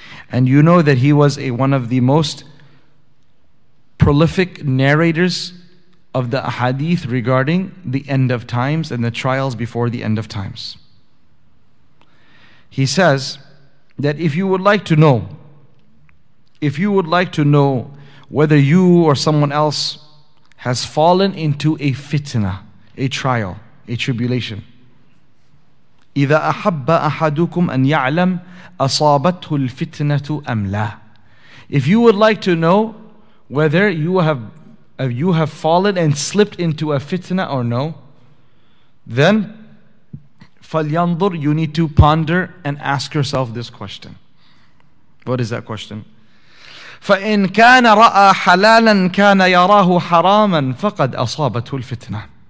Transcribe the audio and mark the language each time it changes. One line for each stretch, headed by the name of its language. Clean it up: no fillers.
English: And you know that he was one of the most prolific narrators of the hadith regarding the end of times and the trials before the end of times. He says that if you would like to know whether you or someone else has fallen into a fitna, a trial, a tribulation.
Arabic: إِذَا أَحَبَّ أَحَدُكُمْ أَنْ يَعْلَمْ أَصَابَتْهُ الْفِتْنَةُ أَمْ لَا.
English: If you would like to know whether you have fallen and slipped into a fitna or no, then فَلْيَنْظُرْ, you need to ponder and ask yourself this question. What is that question?
Arabic: فَإِنْ كَانَ رَأَى حَلَالًا كَانَ يَرَاهُ حَرَامًا فَقَدْ أَصَابَتُهُ الْفِتْنَةُ.